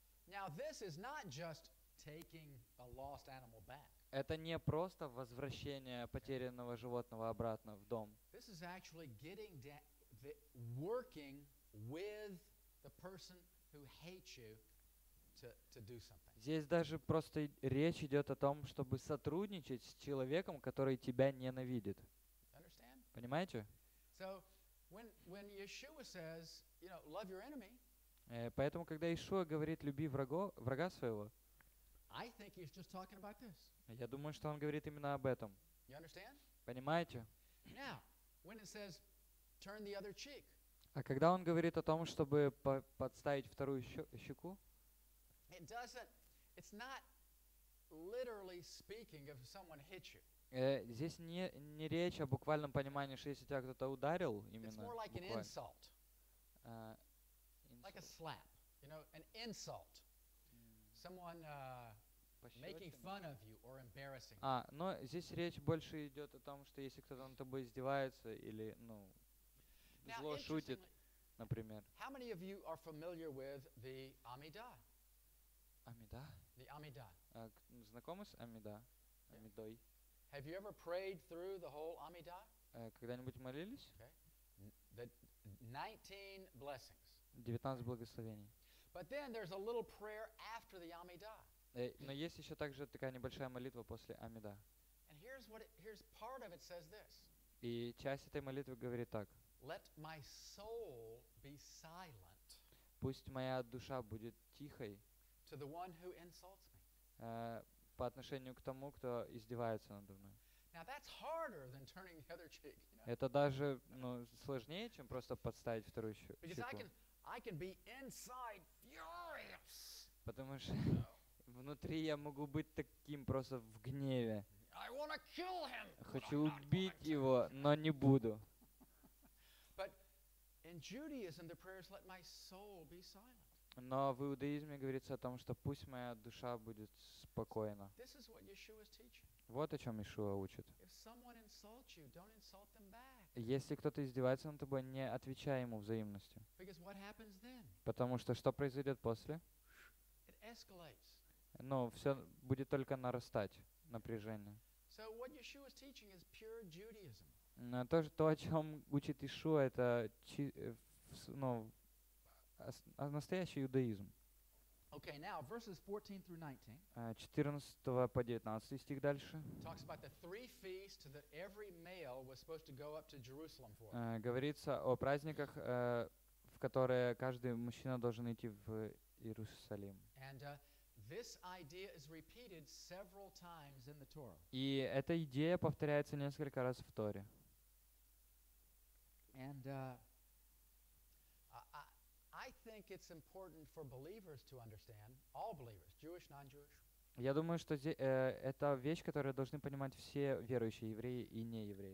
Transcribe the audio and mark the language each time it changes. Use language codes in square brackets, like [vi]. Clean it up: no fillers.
[en] Now this is not just taking a lost animal back. [ru] Это не просто возвращение потерянного животного обратно в дом. [en] This is actually getting working with the person who hates you to do something. [ru] Здесь даже просто речь идет о том, чтобы сотрудничать с человеком, который тебя ненавидит. [en] Understand? [ru] Понимаете? [en] So when Yeshua says, you know, love your enemy. [ru] Поэтому, когда Иешуа говорит «люби врага своего», [en] I think he's just talking about this. [ru] Я думаю, что он говорит именно об этом. [en] You understand? [ru] Понимаете? [en] Now, when it says, turn the other cheek, [ru] а когда он говорит о том, чтобы подставить вторую щеку, [en] it doesn't, it's not literally speaking if someone hit you. [ru] Здесь не речь о буквальном понимании, что если тебя кто-то ударил, именно [en] it's more like an insult. Like a slap, you know, an insult. Someone making fun of you or embarrassing you. [ru] А, но здесь речь больше идет о том, что если кто-то над тобой издевается или, ну, зло шутит, например. [en] How many of you are familiar with the Амида? [ru] Амида? [en] The Амида. [ru] Знакомы с Амида? Амидой? [en] Have you ever prayed through the whole Амида? [ru] Когда-нибудь молились? [en] Okay. The 19 blessings. [ru] 19 благословений. [en] But then there's a little prayer after the Амида. [ru] Но есть еще также такая небольшая молитва после Амида. [en] And here's what here's part of it says this. [ru] И часть этой молитвы говорит так. [en] Let my soul be silent. [ru] Пусть моя душа будет тихой. [en] To the one who insults me. [ru] По отношению к тому, кто издевается надо мной. [en] Now that's harder than turning the other cheek. [ru] Это даже, ну, сложнее, чем просто подставить вторую щеку. [en] I can be inside furious. [ru] Потому что внутри я могу быть таким просто в гневе. [en] I wanna kill him. [ru] Хочу убить его, но не буду. [en] But in Judaism the prayer is let my soul be silent. [ru] Но в иудаизме говорится о том, что пусть моя душа будет спокойна. [en] This is what Yeshua is teaching. [ru] Вот о чем Иешуа учит. [en] If someone insults you, don't insult them back. [ru] Если кто-то издевается над тобой, не отвечай ему взаимностью. [en] Because what happens then? [ru] Потому что что произойдет после? [en] It escalates. [ru] Ну, все будет только нарастать, напряжение. [en] So what Yeshua is teaching is pure Judaism. [ru] То, о чем учит Иешуа, это ну, настоящий иудаизм. [en] Okay, now verses 14 through 19. [ru] 14 по 19 стих дальше. [en] Talks about the three feasts that every male was supposed to go up to Jerusalem for. [ru] Говорится о праздниках, в которые каждый мужчина должен идти в Иерусалим. [en] And this idea is repeated several times in the Torah. [ru] И эта идея повторяется несколько раз в Торе. [en] And I think it's important for believers to understand, all believers, Jewish, non-Jewish. [ru] Я думаю, что это вещь, которую должны понимать все верующие, евреи и неевреи.